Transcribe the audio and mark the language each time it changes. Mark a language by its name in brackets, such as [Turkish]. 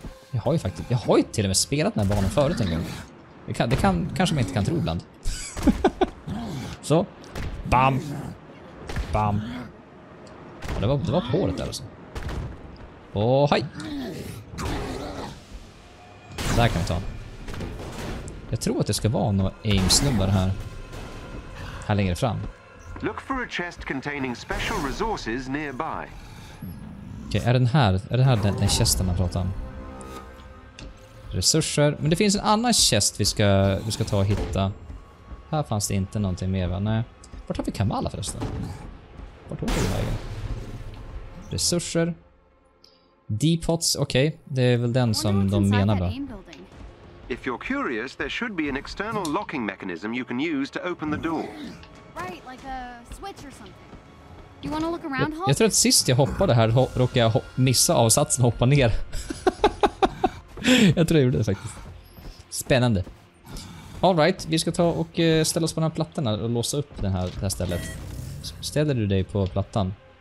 [Swedish] Jag har ju till och med spelat den här banan förut en gång. Det kan kanske man inte kan tro ibland. Så. Bam. Bam. Ja, det var på håret där alltså. Åh, hej. Där kan vi ta. Jag tror att det ska vara några aimsnubbar här. Här längre fram. [English] Look for a chest containing special resources nearby. [Swedish] Okej, är det här den chesten man pratar om? Resurser. Men det finns en annan chest vi ska ta och hitta. Här fanns det inte någonting mer, va? Nej. Vart har vi Kamala förresten? Vart har vi vägen? Resurser. Depots, okej. Okay. Det är väl den som de menar, va? [English] If you're curious, there should be an external locking mechanism you can use to open the door. Right, like a switch or something. You want to look around, Hulk? [Swedish] Jag tror att sist jag hoppade här råkade jag missa avsatsen och hoppa ner. Jag tror jag gjorde det faktiskt. Spännande. All right, vi ska ta och ställa oss på den här plattan här och låsa upp det här stället. Ställer du dig på plattan?